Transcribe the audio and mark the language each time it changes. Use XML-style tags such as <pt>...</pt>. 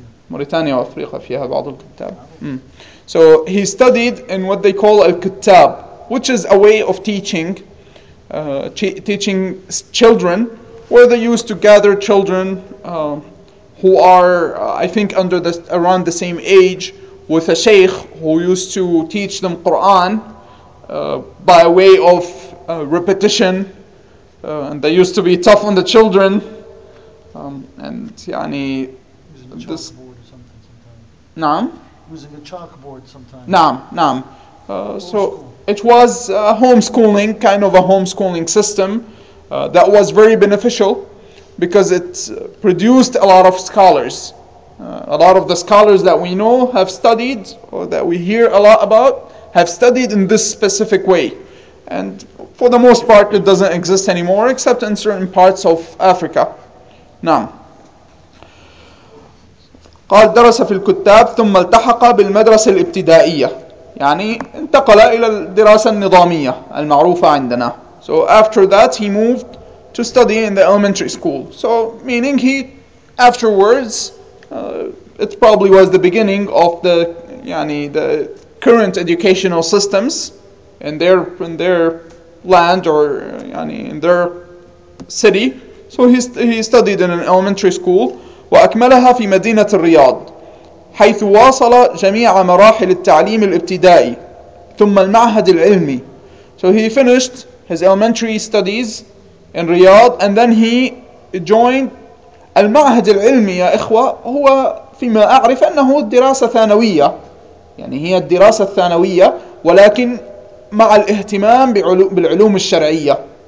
<ar>موريتانيا وأفريقيا فيها بعض الكتاب.</ar> <en>So he studied in what they call الكتاب, which is a way of teaching, teaching children, where they used to gather children who are, I think, around the same age with a sheikh who used to teach them Quran by way of repetition. And they used to be tough on the children. And, يعني, this... نعم. Using a chalkboard sometimes.</en> <ar>نعم نعم.</ar> <en>So it was homeschooling, kind of a homeschooling system that was very beneficial because it produced a lot of scholars. A lot of the scholars that we know have studied, or that we hear a lot about, have studied in this specific way. And for the most part, it doesn't exist anymore, except in certain parts of Africa.</en> <ar>نعم. قال درس في الكتاب ثم التحق بالمدرسة الابتدائية. يعني انتقل إلى الدراسة النظامية المعروفة عندنا.</ar> <en>So after that, he moved to study in the elementary school. So meaning he, afterwards, it probably was the beginning of the, يعني the current educational systems in their land or يعني in their city. So he studied in an elementary school.</en> <ar>وأكملها في مدينة الرياض حيث واصل جميع مراحل التعليم الابتدائي ثم المعهد العلمي.</ar> <en>So he finished his elementary studies in Riyadh and then he joined المعهد العلمي.</en> <ar>يا إخوة هو فيما أعرف أنه الدراسة ثانوية, يعني هي الدراسة الثانوية ولكن مع الاهتمام بالعلوم الشرعية.</ar>